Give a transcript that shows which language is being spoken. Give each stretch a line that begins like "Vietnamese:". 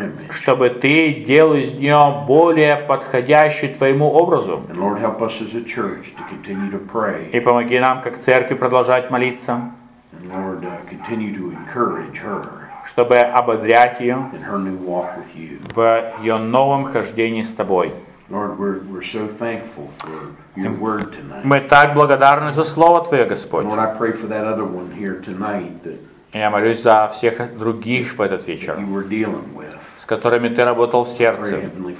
Russian: Чтобы ты делал из нее более подходящую твоему образу.
English: And Lord, help us as a church to continue to pray.
Russian: И помоги нам как церкви продолжать молиться.
English: And Lord, continue to encourage her.
Russian: Чтобы ободрять ее.
English: In her new walk with you.
Russian: В ее новом хождении с тобой.
English: Lord, we're so thankful for your word tonight.
Russian: Мы так благодарны за слово твое, Господь.
English: Lord, I pray for that other one here tonight.
Russian: Я молюсь за всех других в этот вечер.
English: You were dealing with.
Russian: С которыми ты работал в сердце.